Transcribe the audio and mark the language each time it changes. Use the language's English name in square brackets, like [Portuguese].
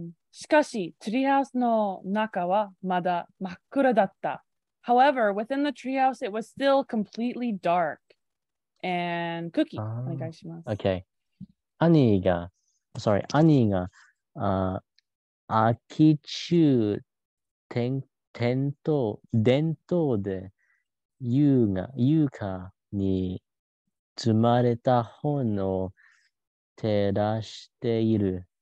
[Japanese] しかし、ツリーハウスの中はまだ真っ暗だった。 [English] However, within the treehouse, it was still completely dark. And cookie, [Japanese] お願いします。 [English] Okay. [Japanese] 兄が、sorry, 兄が、秋中、伝統で、優雅に積まれた本を照らしている。